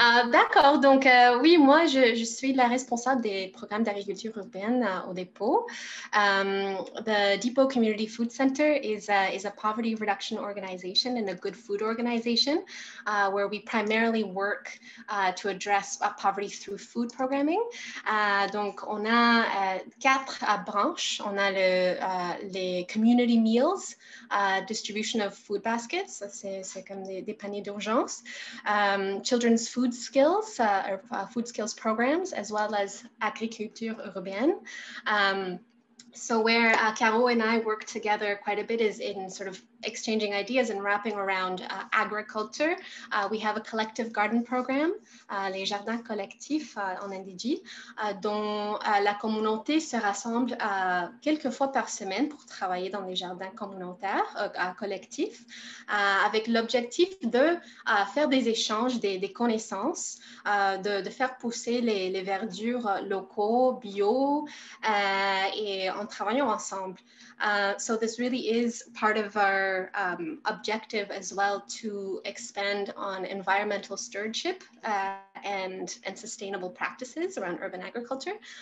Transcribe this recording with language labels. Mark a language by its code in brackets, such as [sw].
[fr] D'accord, donc oui, moi, je suis la responsable des programmes d'agriculture urbaine au dépôt. [en] The Depot Community Food Center is a poverty reduction organization and a good food organization where we primarily work to address poverty through food programming. [fr] Donc, on a 4 branches. On a les [en] community meals, distribution of food baskets. [fr] C'est comme des paniers d'urgence. [en] Children's food skills or food skills programs, as well as agriculture urbaine. So where Caro and I work together quite a bit is in sort of exchanging ideas and wrapping around agriculture. We have a collective garden program, [fr] les jardins collectifs en NDG, dont la communauté se rassemble quelques fois par semaine pour travailler dans les jardins communautaires collectifs, avec l'objectif de faire des échanges, des connaissances, de faire pousser les verdures locaux, bio, et en travaillant ensemble. [en] So this really is part of our objective as well, to expand on environmental stewardship and sustainable practices around urban agriculture.